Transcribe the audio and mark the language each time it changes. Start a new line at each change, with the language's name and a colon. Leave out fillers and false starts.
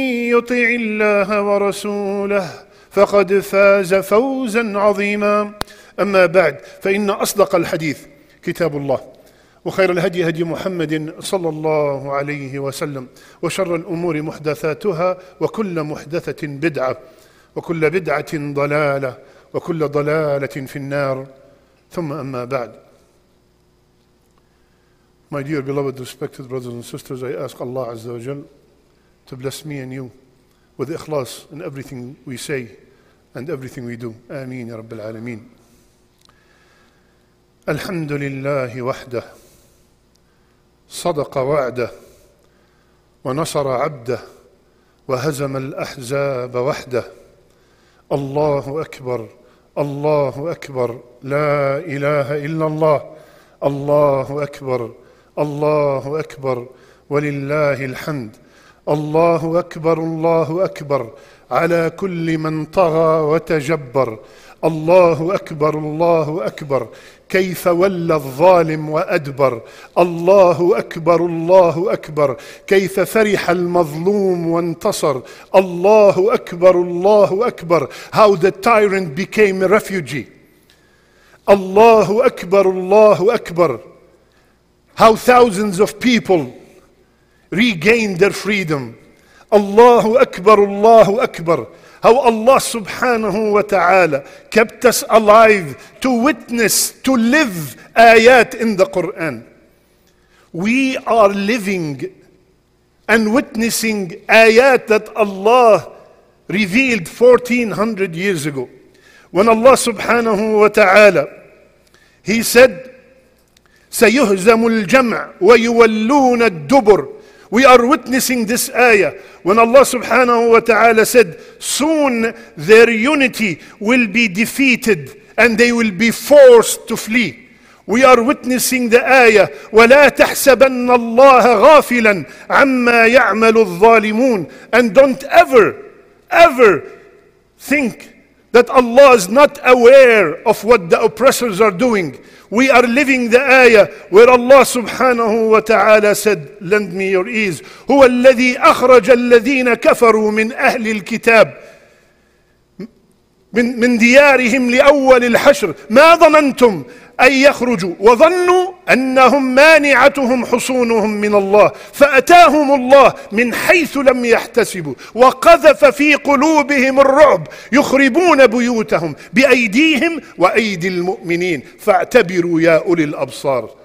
Arabic: يطيع الله ورسوله فقد فاز فوزا عظيما أما بعد فإن أصدق الحديث كتاب الله وخير الهدي هدي محمد صلى الله عليه وسلم وشر الأمور محدثاتها وكل محدثة بدعة وكل بدعة ضلالة وكل ضلالة في النار ثم أما بعد
English: My dear beloved, respected brothers and sisters, I ask Allah Azza wa Jal to bless me and you with ikhlas in everything we say and everything we do.
Arabic: Ameen, Ya Rabbil Alameen. Alhamdulillah wahdah, sadaqa wa'dah, wa nasara abdah, wa hazam al-ahzab wahdah. Allahu Akbar, Allahu Akbar, la ilaha illallah, Allahu Akbar, Allahu Akbar, walillahi alhamd. Allahu Akbar, Allahu Akbar, ala kulli man tagha wa tajabbar. Allahu Akbar, Allahu Akbar, كيف ولى الظالم وأدبر. الله أكبر الله أكبر, كيف فرح المظلوم وانتصر. الله أكبر الله أكبر,
English: how the tyrant became a refugee.
Arabic: الله أكبر الله أكبر,
English: how thousands of people regained their freedom.
Arabic: الله أكبر الله أكبر,
English: how Allah subhanahu wa ta'ala kept us alive to witness, to live ayat in the Quran. We are living and witnessing ayat that Allah revealed 1400 years ago. When Allah subhanahu wa ta'ala, He said,
Arabic: سَيُهْزَمُ الْجَمْعُ وَيُوَلُّونَ الدُّبُرُ.
English: We are witnessing this ayah when Allah subhanahu wa ta'ala said, soon their unity will be defeated and they will be forced to flee. We are witnessing the ayah,
Arabic: وَلَا تَحْسَبَنَّ اللَّهَ غَافِلًا عَمَّا يَعْمَلُ الظَّالِمُونَ.
English: And don't ever, ever think that Allah is not aware of what the oppressors are doing. We are living the ayah where Allah subhanahu wa ta'ala said, lend me your ears.
Arabic: هو الذي أخرج الذين كفروا من أهل الكتاب من ديارهم لأول الحشر ما ظننتم أن يخرجوا وظنوا أنهم مانعتهم حصونهم من الله فأتاهم الله من حيث لم يحتسبوا وقذف في قلوبهم الرعب يخربون بيوتهم بأيديهم وأيدي المؤمنين فاعتبروا يا أولي الأبصار.